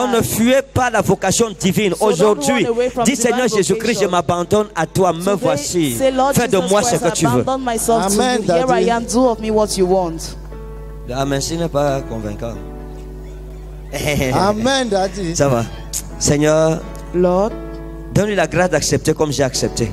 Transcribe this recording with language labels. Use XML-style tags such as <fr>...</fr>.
<fr>Donc ne fuyez pas la vocation divine.</fr> <en>So</en> <fr>aujourd'hui, dis Seigneur Jésus-Christ, je m'abandonne à toi. Me voici. Fais de moi ce que tu veux. Amen.</fr> <en>Here I am. Do of me what you want. Amen.</en> <fr>Ce n'est pas convaincant.</fr> <en>Amen, daddy.</en> <fr>Ça va. Seigneur.</fr> <en>Lord.</en> <fr>Donne-lui la grâce d'accepter comme j'ai accepté.</fr>